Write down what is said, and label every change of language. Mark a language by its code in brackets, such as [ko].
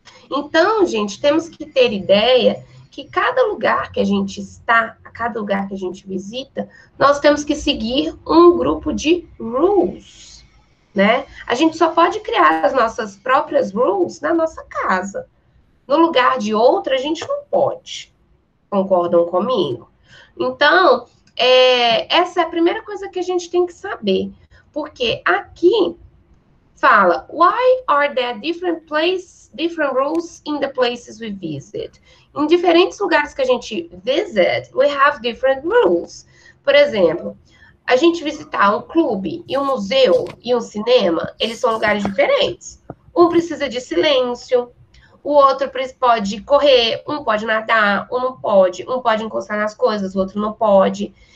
[pt] Então, gente, temos que ter ideia que cada lugar que a gente está, a cada lugar que a gente visita, nós temos que seguir um grupo de rules. Né? A gente só pode criar as nossas próprias rules na nossa casa. do lugar de outra, a gente não pode. Concordam comigo? Então, essa é a primeira coisa que a gente tem que saber. Porque aqui fala, [en] why are there different rules in the places we visit? [pt] Em diferentes lugares que a gente [en] visit, we have different rules. [pt] Por exemplo, a gente visitar um clube e um museu e um cinema, eles são lugares diferentes. Um precisa de silêncio, o outro pode correr, um pode nadar, um pode encostar nas coisas, o outro não pode.